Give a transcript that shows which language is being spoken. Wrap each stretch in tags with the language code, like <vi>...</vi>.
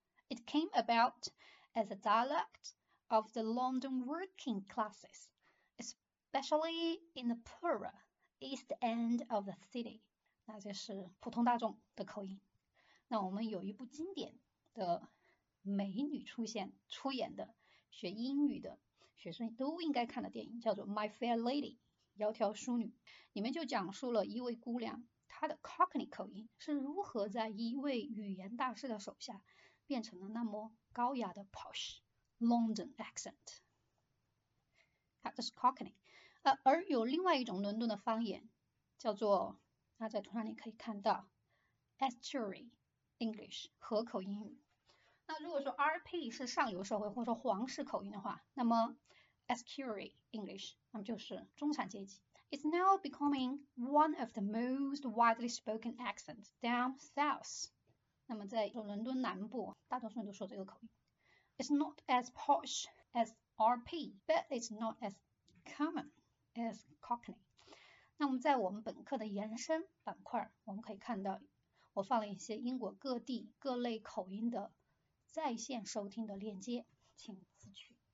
<en>It came about as a dialect of the London working classes, especially in the poorer East End of the city.</en> <zh>那就是普通大众的口音。那我们有一部经典的美女出演的学英语的学生都应该看的电影，叫做《My Fair Lady》窈窕淑女，里面就讲述了一位姑娘她的 Cockney 口音是如何在一位语言大师的手下变成了那么高雅的</zh> <en>posh London accent，</en> <zh>好，这是 Cockney，而有另外一种伦敦的方言，叫做，那在图上你可以看到，Estuary English 河口英语。那如果说 RP 是上流社会或者说皇室口音的话，那么 Estuary English 那么就是中产阶级。</zh> <en>It's now becoming one of the most widely spoken accents down south。</en> <zh>那么在伦敦南部，大多数人都说这个口音。</zh> <en>It's not as posh as RP, but it's not as common as Cockney.</en> <zh>那么在我们本课的延伸板块，我们可以看到，我放了一些英国各地各类口音的在线收听的链接，请自取。</zh>